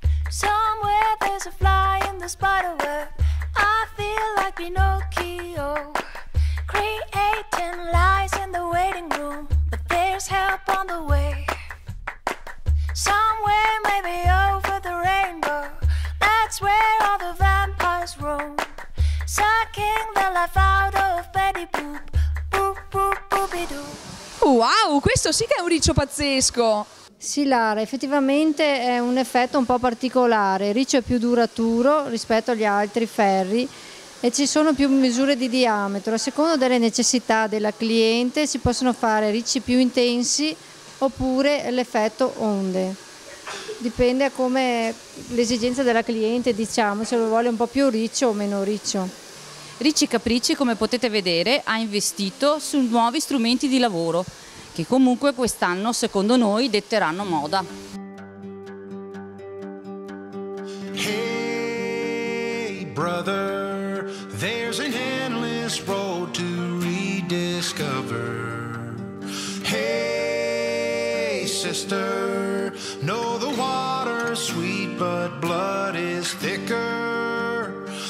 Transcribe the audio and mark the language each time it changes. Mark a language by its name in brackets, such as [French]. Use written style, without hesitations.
[English] Somewhere there's a fly in the spider web. I feel like Pinocchio, creating lies in the waiting room, but there's help on the way. Somewhere, maybe over the rainbow, that's where all the vampires roam, sucking the life out of Betty Boop, Boop, Boop, Boopidoo. [Italian] Wow, questo sì che è un riccio pazzesco! Sì Lara, effettivamente è un effetto un po' particolare, il riccio è più duraturo rispetto agli altri ferri e ci sono più misure di diametro, a seconda delle necessità della cliente si possono fare ricci più intensi oppure l'effetto onde, dipende da come l'esigenza della cliente, diciamo, se lo vuole un po' più riccio o meno riccio. Ricci Capricci, come potete vedere, ha investito su nuovi strumenti di lavoro che comunque quest'anno, secondo noi, detteranno moda. [English] Hey brother, there's an endless road to rediscover. Hey sister, know the water's sweet but blood is thicker.